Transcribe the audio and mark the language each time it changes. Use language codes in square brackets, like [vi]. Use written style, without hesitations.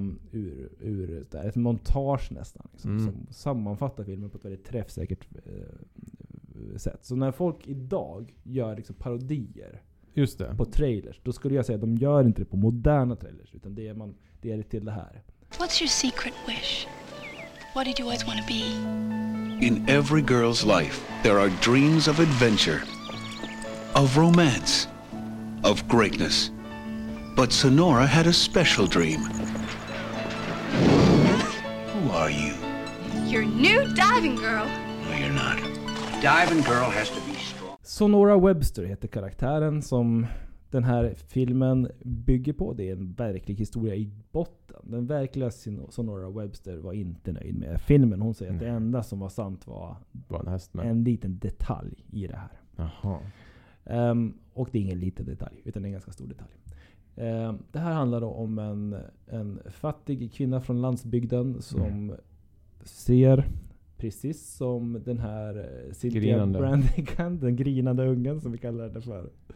[sv] Ur där, ett montage nästan liksom, som sammanfattar filmen på ett väldigt träffsäkert sätt. Så när folk idag gör liksom parodier just det. På trailers, då skulle jag säga att de gör inte det på moderna trailers, utan det är man, det är det till det här. [en] What's your secret wish? What did you always want to be? In every girl's life there are dreams of adventure, of romance, of greatness. But Sonora had a special dream. Who are you? Your new diving girl. No, you're not. Diving girl has to be strong. [sv] Sonora Webster heter karaktären som den här filmen bygger på. Det är en verklig historia i botten. Den verkliga Sonora Webster var inte nöjd med filmen. Hon säger att det enda som var sant var en liten detalj i det här. Jaha. Och det är ingen liten detalj, utan en ganska stor detalj. Det här handlar då om en fattig kvinna från landsbygden som ser precis som den här Cynthia Brandigan, den grinande ungen som vi kallar det för.